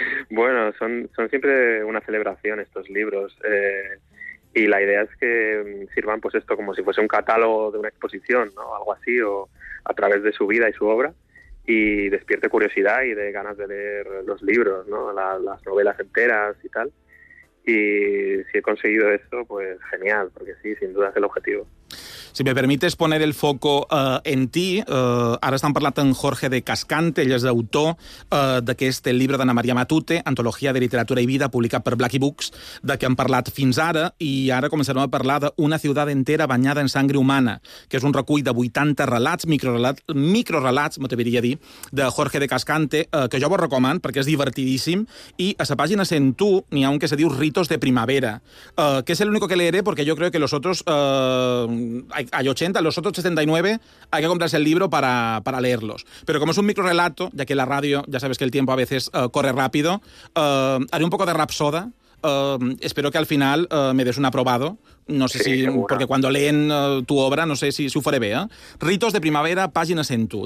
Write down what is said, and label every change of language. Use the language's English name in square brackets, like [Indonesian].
[Spanish] Bueno, son siempre una celebración estos libros, y la idea es que sirvan, pues esto, como si fuese un catálogo de una exposición, ¿no? Algo así, o a través de su vida y su obra, y despierte curiosidad y de ganas de leer los libros, ¿no? Las novelas enteras y tal. Y si he conseguido eso, pues genial, porque sí, sin duda es el objetivo. [Catalan] Si me permites poner el foco en ti, ahora estan parlant en Jorge de Cascante, ell és l'autor d'aquest llibre d'Ana Maria Matute, Antologia de Literatura i Vida, publicat per Blackie Books, de què hem parlat fins ara, i ara començarem a parlar d'Una ciutat entera banyada en sangre humana, que és un recull de 80 relats, microrelats, m'atreviria a dir, de Jorge de Cascante, que jo vos recoman perquè és divertidíssim, i a la pàgina 101 n'hi ha un que se diu Ritos de Primavera, que és l'únic que leeré perquè jo crec que [Spanish] los otros... Hay 80, los otros 79 hay que comprarse el libro para leerlos. Pero como es un microrelato, ya que la radio, ya sabes que el tiempo a veces corre rápido, haré un poco de rapsoda. Espero que al final me des un aprobado. No sé, sí, si, segura. Porque cuando leen tu obra, no sé si fuere bea. Ritos de Primavera, página 101.